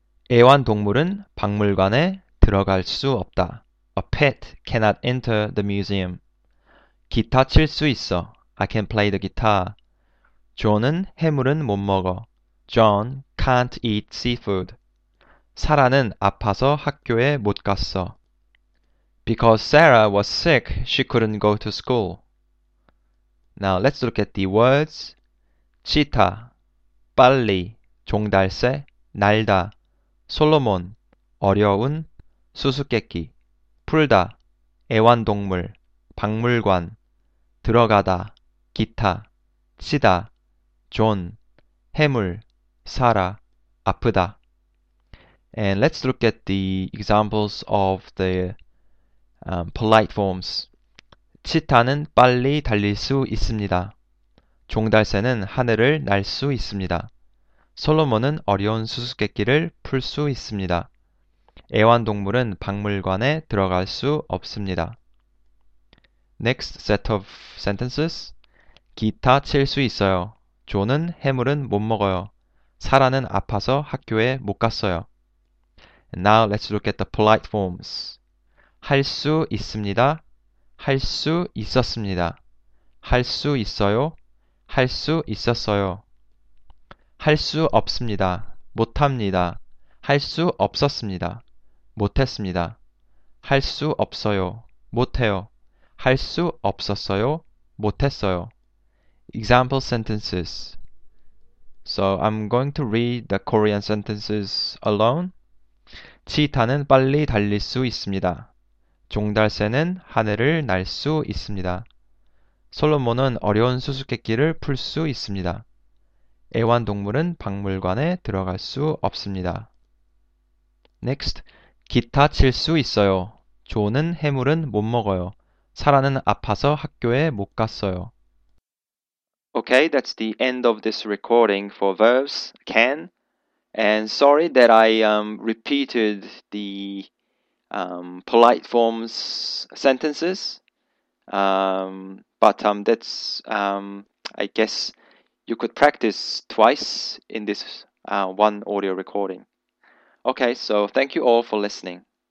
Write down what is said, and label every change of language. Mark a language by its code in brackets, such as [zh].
[ko] 애완동물은 박물관에 들어갈 수 없다. [en] A pet cannot enter the museum. [ko] 기타 칠 수 있어. [en] I can play the guitar. [ko] 존은 해물은 못 먹어. [en] John can't eat seafood. [ko] 사라는 아파서 학교에 못 갔어. [en] Because Sarah was sick, she couldn't go to school. Now let's look at the words. [ko] 치타, 빨리, 종달새, 날다, 솔로몬, 어려운, 수수께끼, 풀다, 애완동물, 박물관, 들어가다, 기타, 치다, 존, 해물, 사라, 아프다. [en] And let's look at the examples of the polite forms. [ko] 치타는 빨리 달릴 수 있습니다. 종달새는 하늘을 날 수 있습니다. 솔로몬은 어려운 수수께끼를 풀 수 있습니다. 애완동물은 박물관에 들어갈 수 없습니다. [en] Next set of sentences. [ko] 기타 칠 수 있어요. 존은 해물은 못 먹어요. 사라는 아파서 학교에 못 갔어요. [en] Now let's look at the polite forms. [ko] 할 수 있습니다. 할 수 있었습니다. 할 수 있어요. 할 수 있었어요. 할 수 없습니다. 못합니다. 할 수 없었습니다. 못했습니다. 할 수 없어요. 못해요. 할 수 없었어요. 못했어요. [en] Example sentences. So I'm going to read the Korean sentences alone. [ko] 치타는 빨리 달릴 수 있습니다. 종달새는 하늘을 날 수 있습니다. 솔로몬은 어려운 수수께끼를 풀 수 있습니다. 애완동물은 박물관에 들어갈 수 없습니다. Next, 기타 칠 수 있어요. 존은 해물은 못 먹어요. 사라는 아파서 학교에 못 갔어요. [en] Okay, that's the end of this recording for verbs can. And sorry that I repeated the polite forms sentences. I guess you could practice twice in this one audio recording. Okay, so thank you all for listening.